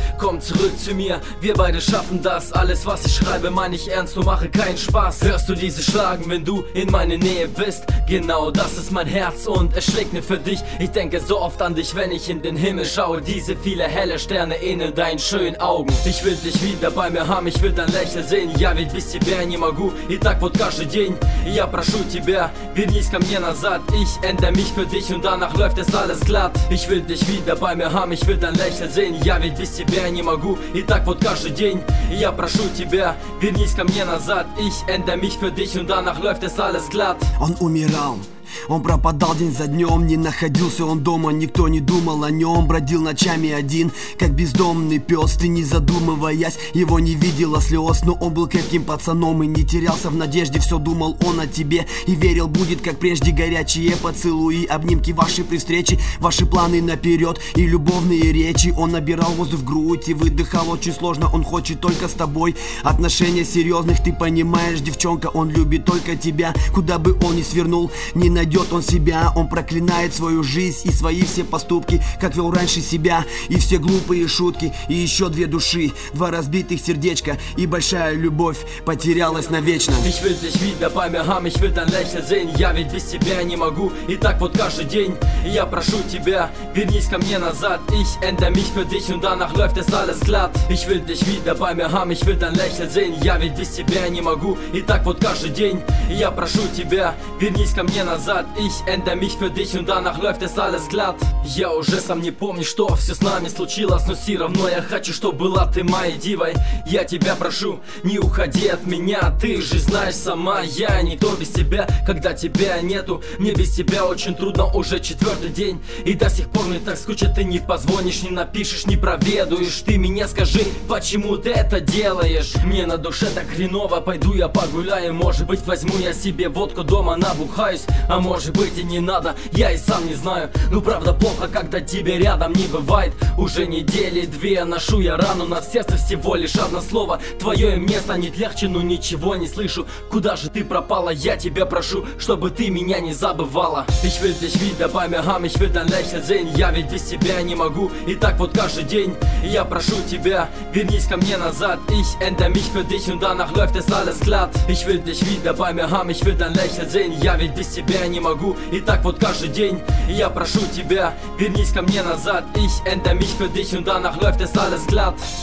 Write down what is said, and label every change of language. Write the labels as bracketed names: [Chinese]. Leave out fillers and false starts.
[German] Komm zurück zu mir, wir beide schaffen das, alles was ich schreibe, mein ich ernst, nur mache keinen Spaß. Hörst du diese Schlagen, wenn du in meine Nähe bist? Genau das ist mein Herz und es schlägt mir für dich. Ich denke so oft an dich, wenn ich in den Himmel schaue. Diese viele helle Sterne ähneln deinen schönen Augen. Ich will dich wieder bei mir haben, ich will dein Lächeln sehen. [Russian] Я ведь без тебя не могу, и так вот каждый день. Я прошу тебя, вернись ко мне назад. [German] Ich ändere mich für dich und danach läuft es alles glatt. Ich will dich wieder bei mir haben, ich will dein Lächeln sehen. [Russian] Я ведь без тебя не могу, и так вот каждый день. Я прошу тебя, вернись ко мне назад. [German] Ich ändere mich für dich und danach läuft es alles glatt. [Russian] Он умирал, он пропадал день за днем. Не находился он дома, никто не думал о нем. Бродил ночами один, как бездомный пес. Ты не задумываясь, его не видела слез. Но он был крепким пацаном и не терялся в надежде. Все думал он о тебе и верил, будет как прежде. Горячие поцелуи, обнимки ваши при встрече, ваши планы наперед и любовные речи. Он набирал воздух в грудь и выдыхал очень сложно. Он хочет только с тобой отношения серьезных. Ты понимаешь, девчонка, он любит только тебя. Куда бы он ни свернул, не на найдет он себя, он проклинает свою жизнь и свои все поступки, как вел раньше себя, и все глупые шутки, и еще две души, два разбитых сердечка, и большая любовь потерялась навечно. [German] Ich will dich wieder bei mir haben, ich will dein Lächeln sehen. [Russian] Я ведь без тебя не могу, и так вот каждый день. Я прошу тебя, вернись ко мне назад. [German] Ich ändere mich für dich und danach läuft es alles glatt. Ich will dich wieder bei mir haben, ich will dein Lächeln sehen. [Russian] Я ведь без тебя не могу, и так вот каждый день. Я прошу тебя, вернись ко мне назад. [German] Ich ändere mich für dich und danach läuft es alles glatt. [Russian] Я уже сам не помню, что все с нами случилось. Но все равно я хочу, чтобы была ты моей дивой. Я тебя прошу, не уходи от меня. Ты же знаешь сама, я никто без тебя. Когда тебя нету, мне без тебя очень трудно. Уже четвертый день и до сих пор мне так скучно. Ты не позвонишь, не напишешь, не проведуешь. Ты мне скажи, почему ты это делаешь? Мне на душе так хреново, пойду я погуляю. Может быть, возьму я себе водку дома, набухаюсь. А может быть и не надо, я и сам не знаю. Ну правда плохо, когда тебе рядом не бывает. Уже недели две ношу я рану на сердце. Всего лишь одно слово, твое мне станет легче. Но ничего не слышу, куда же ты пропала? Я тебя прошу, чтобы ты меня не забывала. [German] Ich will dich wieder bei mir haben, ich will dein Lächeln sehen. [Russian] Я ведь без тебя не могу, и так вот каждый день. Я прошу тебя, вернись ко мне назад. [German] Ich ändere mich für dich und danach läuft es alles glatt. Ich will dich wieder bei mir haben, ich will dein Lächeln sehen. [Russian] Я ведь без тебя не могу, и так вот каждый день. Я прошу тебя, вернись ко мне назад. [German] Ich ändere mich für dich und danach läuft es alles glatt.